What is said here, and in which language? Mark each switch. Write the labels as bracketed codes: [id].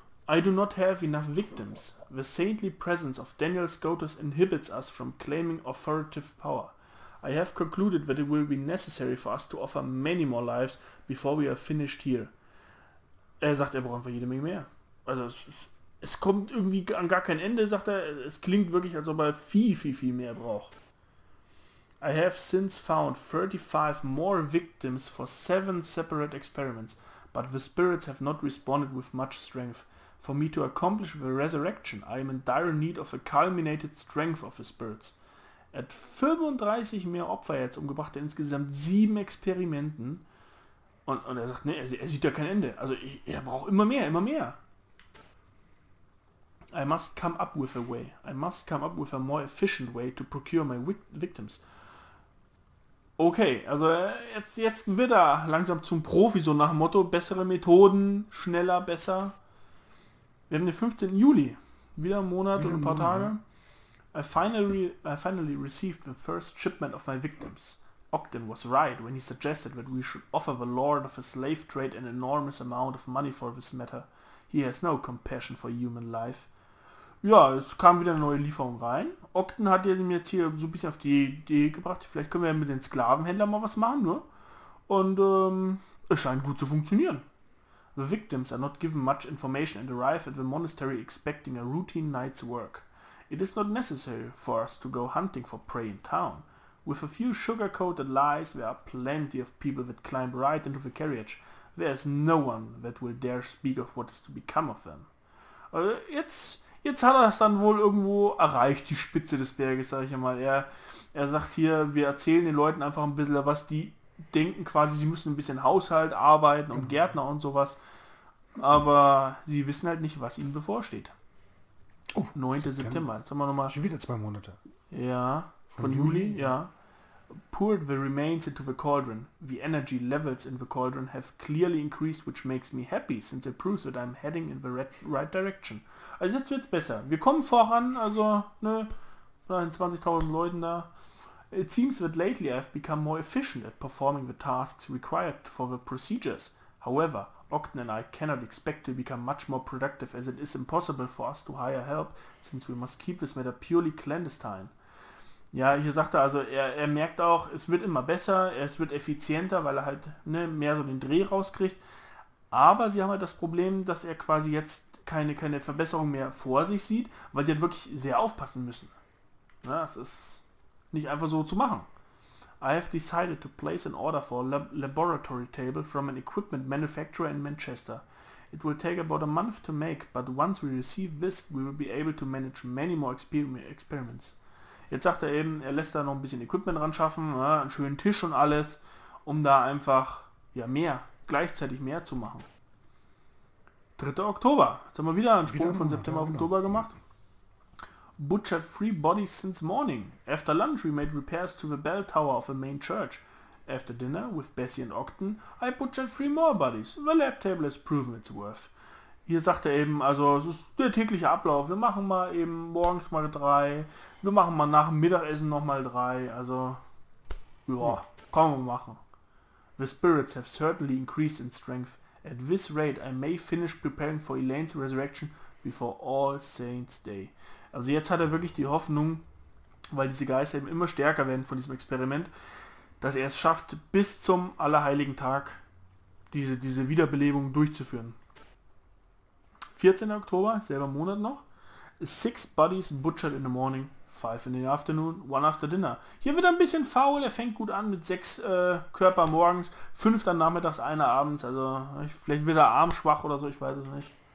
[en] I do not have enough victims. The saintly presence of Daniel Scotus inhibits us from claiming authoritative power. I have concluded that it will be necessary for us to offer many more lives before we are finished here. [de] Er sagt, er braucht einfach jede Menge mehr. Also es kommt irgendwie an gar kein Ende, sagt er. Es klingt wirklich, als ob er viel, viel, viel mehr braucht. [en] I have since found 35 more victims for 7 separate experiments, but the spirits have not responded with much strength. For me to accomplish the resurrection, I am in dire need of a culminated strength of the spirits. [de] Er hat 35 mehr Opfer jetzt umgebracht in insgesamt 7 Experimenten. Und er sagt, nee, er sieht ja kein Ende. Also er braucht immer mehr, immer mehr. [en] I must come up with a way. I must come up with a more efficient way to procure my victims. [de] Okay, also jetzt wird er langsam zum Profi, so nach dem Motto, bessere Methoden, schneller, besser. Wir haben den 15. Juli. Wieder einen Monat oder ein paar Tage. [en] I finally received the first shipment of my victims. Ogden was right when he suggested that we should offer the lord of a slave trade an enormous amount of money for this matter. He has no compassion for human life. [de] Ja, es kam wieder eine neue Lieferung rein. Ogden hat mir jetzt hier so ein bisschen auf die Idee gebracht, vielleicht können wir mit den Sklavenhändlern mal was machen, ne? Und es scheint gut zu funktionieren. [en] The victims are not given much information and arrive at the monastery expecting a routine night's work. It is not necessary for us to go hunting for prey in town. With a few sugar-coated lies, there are plenty of people that climb right into the carriage. There is no one that will dare speak of what is to become of them. [de] Jetzt hat er es dann wohl irgendwo erreicht, die Spitze des Berges, sag ich mal. Er sagt hier, wir erzählen den Leuten einfach ein bisschen, was die denken quasi, sie müssen ein bisschen Haushalt arbeiten und Gärtner und sowas. Aber sie wissen halt nicht, was ihnen bevorsteht. Oh, 9. September, jetzt haben wir nochmal... Schon wieder 2 Monate. Ja, von Juli, ja. [en] Poured the remains into the cauldron. The energy levels in the cauldron have clearly increased, which makes me happy, since it proves that I'm heading in the right direction. [de] Also jetzt wird's besser. Wir kommen voran, also, ne, von 20.000 Leuten da. [en] It seems that lately I've become more efficient at performing the tasks required for the procedures. However, Ogden and I cannot expect to become much more productive, as it is impossible for us to hire help, since we must keep this matter purely clandestine. [de] Ja, hier sagt er, also er merkt auch, es wird immer besser, es wird effizienter, weil er halt, ne, mehr so den Dreh rauskriegt. Aber sie haben halt das Problem, dass er quasi jetzt keine Verbesserung mehr vor sich sieht, weil sie halt wirklich sehr aufpassen müssen. Ja, es ist nicht einfach so zu machen. [en] I have decided to place an order for a laboratory table from an equipment manufacturer in Manchester. It will take about a month to make, but once we receive this, we will be able to manage many more experiments. [de] Jetzt sagt er eben, er lässt da noch ein bisschen Equipment dran schaffen, ja, einen schönen Tisch und alles, um da einfach ja mehr, gleichzeitig mehr zu machen. 3. Oktober. Jetzt haben wir wieder einen Sprung von September auf Oktober gemacht. [en] Butchered 3 bodies since morning. After lunch we made repairs to the bell tower of the main church. After dinner, with Bessie and Ogden, I butchered 3 more bodies. The lab table has proven its worth. [de] Hier sagt er eben, also es ist der tägliche Ablauf. Wir machen mal eben morgens mal 3. Wir machen mal nach dem Mittagessen nochmal 3. Also, ja, kommen wir machen. [en] The spirits have certainly increased in strength. At this rate, I may finish preparing for Elaine's resurrection before All Saints Day. [de] Also jetzt hat er wirklich die Hoffnung, weil diese Geister eben immer stärker werden von diesem Experiment, dass er es schafft, bis zum Allerheiligen Tag diese Wiederbelebung durchzuführen. 14. Oktober, selber Monat noch. [en] 6 bodies butchered in the morning, 5 in the afternoon, 1 after dinner. [de] Hier wird er ein bisschen faul, er fängt gut an mit 6 Körper morgens, 5 dann nachmittags, 1 abends. Also vielleicht wird er armschwach oder so, ich weiß es nicht.